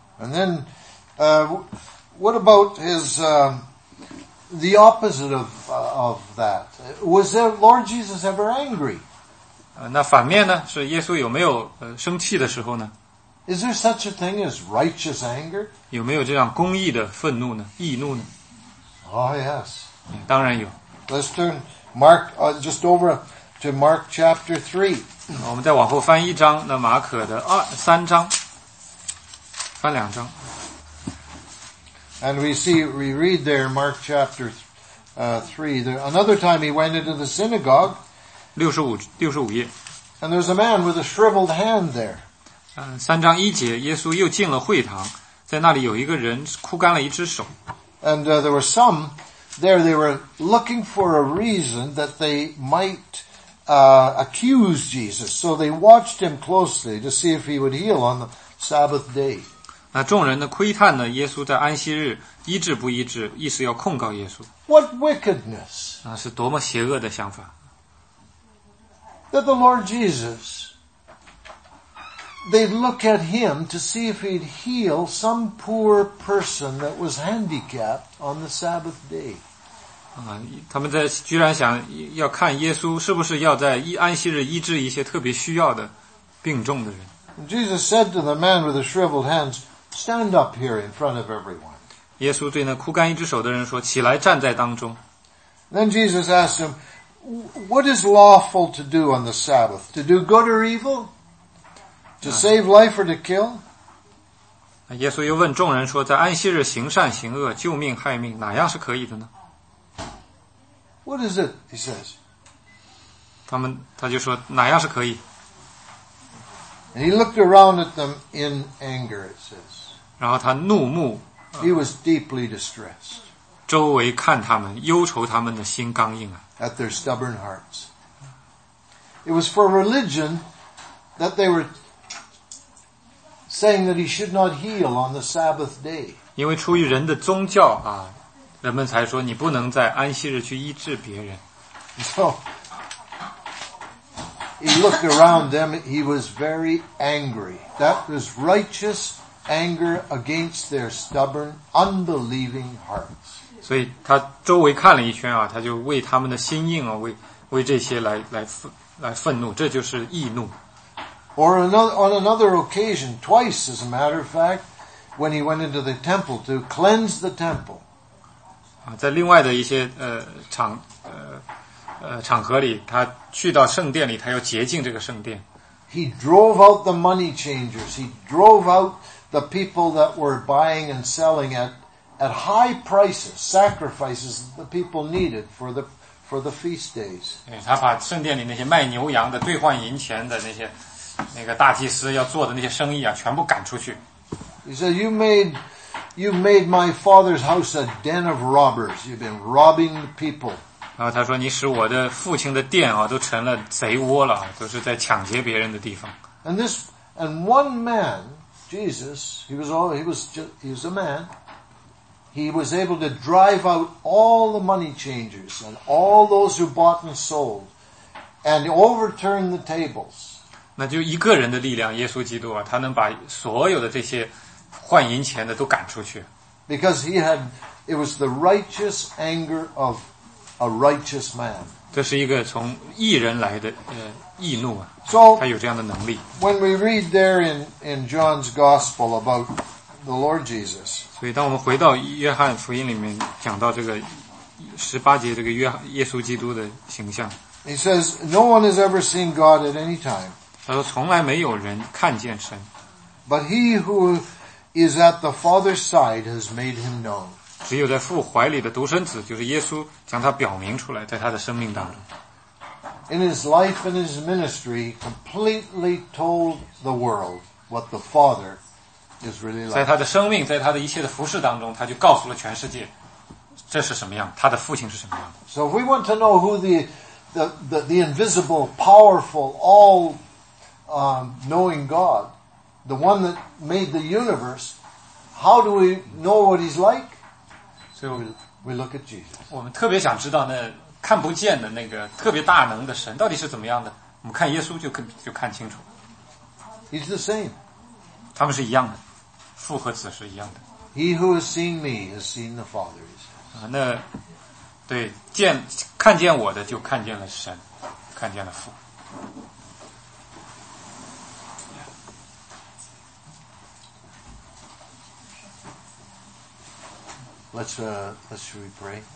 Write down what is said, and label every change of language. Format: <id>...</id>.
<en>And then, what about his the opposite of that? Was the Lord Jesus ever angry?</en> <zh>那反面呢？是耶稣有没有生气的时候呢</zh> <en>？Is there such a thing as righteous anger?</en> <zh>有没有这样公义的愤怒呢？义怒呢</zh> <en>？Oh yes.</en> <zh>当然有。</zh> <en>Let's turn. Mark, just over to Mark chapter 3.</en> <zh>我们再往后翻一章，那马可的三章，翻两章。</zh> <en>And we read there Mark chapter 3. There, another time he went into the synagogue.</en> <zh>65页。</zh> <en>And there's a man with a shriveled hand there.</en> <zh>三章一节，耶稣又进了会堂，在那里有一个人枯干了一只手。</zh> <en>And there were some... There they were looking for a reason that they might accuse Jesus. So they watched him closely to see if he would heal on the Sabbath day.</en> <zh>那众人呢窥探呢耶稣在安息日医治不医治，意思要控告耶稣。</zh> <en>What wickedness!</en> <zh>那是多么邪恶的想法。</zh> <en>That the Lord Jesus, they'd look at him to see if he'd heal some poor person that was handicapped on the Sabbath day.</en> <zh>他们在居然想要看耶稣是不是要在安息日医治一些特别需要的病重的人。</zh> <en>Jesus said to the man with the shriveled hands, "Stand up here in front of everyone."</en> <zh>耶稣对那枯干一只手的人说：“起来，站在当中。”</zh> <en>Then Jesus asked him, "What is lawful to do on the Sabbath? To do good or evil? To save life or to kill?"</en> <zh>耶稣又问众人说：“在安息日行善行恶，救命害命，哪样是可以的呢？”</zh> <en>What is it? He says.</en> <zh>他就说哪样是可以。</zh> <en>And he looked around at them in anger. It says.</en> <zh>然后他怒目。</zh> <en>He was deeply distressed.</en> <zh>周围看他们，忧愁他们的心刚硬啊。</zh> <en>At their stubborn hearts. It was for religion that they were saying that he should not heal on the Sabbath day.</en> <zh>因为出于人的宗教啊。人们才说你不能在安息日去医治别人。</zh> <en>So, he looked around them, he was very angry. That was righteous anger against their stubborn, unbelieving hearts.</en> <zh>所以他周围看了一圈啊，他就为他们的心硬啊，为这些来愤怒，这就是义怒。</zh> <en>Or on another occasion, twice as a matter of fact, when he went into the temple to cleanse the temple.</en> <zh>在另外的一些场合里，他去到圣殿里，他要洁净这个圣殿。</zh> <en>He drove out the money changers. He drove out the people that were buying and selling at high prices, sacrifices that the people needed for the feast days.</en> <zh>他把圣殿里那些卖牛羊的兑换银钱的那些那个大祭司要做的那些生意啊，全部赶出去。</zh> <en>He said, you made my father's house a den of robbers. You've been robbing the people.</en> <zh>然后他说你使我的父亲的殿啊都成了贼窝了，都是在抢劫别人的地方。</zh> <en>And one man, Jesus, he was a man. He was able to drive out all the money changers and all those who bought and sold and overturn the tables.</en> <zh>那就一个人的力量，耶稣基督啊，他能把所有的这些换银钱的都赶出去。</zh> <en>Because he had, it was the righteous anger of a righteous man.</en> <zh>这是一个从义人来的义怒啊。</zh> <en>So,</en> <zh>他有这样的能力。</zh> <en>When we read there in John's Gospel about the Lord Jesus.</en> <zh>所以当我们回到约翰福音里面讲到这个十八节这个耶稣基督的形象。</zh> <en>He says, no one has ever seen God at any time.</en> <zh>他说从来没有人看见神。</zh> <en>But he who is at the Father's side has made him known.</en> <zh>只有在父怀里的独生子就是耶稣将他表明出来在他的生命当中。</zh> <en>In his life and his ministry, completely told the world what the Father is really like.</en> <zh>在他的生命，在他的一切的服事当中，他就告诉了全世界，这是什么样，他的父亲是什么样的。</zh> <en>So if we want to know who the invisible, powerful, all knowing God, the one that made the universe, how do we know what he's like? So we look at Jesus.</en> <zh>我们特别想知道那。看不见的那个特别大能的神到底是怎么样的？我们看耶稣就看清楚。</zh> <en>He's the same.</en> <zh>他们是一样的，父和子是一样的。</zh> <en>He who has seen me has seen the Father.</en> <zh>那对见看见我的就看见了神，看见了父。</zh> <en>Let's we pray?</en>